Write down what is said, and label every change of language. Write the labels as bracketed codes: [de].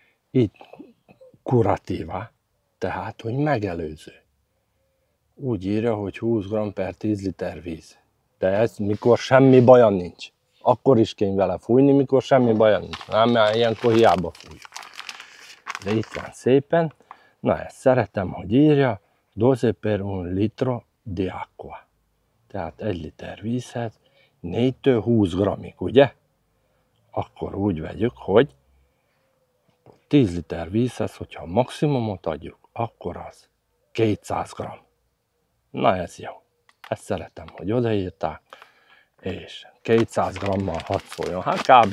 [hu] Itt kuratíva, tehát, hogy megelőző. Úgy írja, hogy 20 gram per 10 liter víz. De ez mikor semmi baja nincs. Akkor is kény vele fújni, mikor semmi baja nincs. Nem, mert ilyenkor hiába fúj. De itt van szépen. Na, ezt szeretem, hogy írja. [it] Dose per un litro di acqua. [hu] Tehát egy liter vízhez 4-től 20 gramig, ugye? Akkor úgy vegyük, hogy 10 liter vízhez, hogyha maximumot adjuk, akkor az 200 gram. Na, ez jó. Ezt szeretem, hogy odaírták. És 200 grammal hat szóljon, hát kb.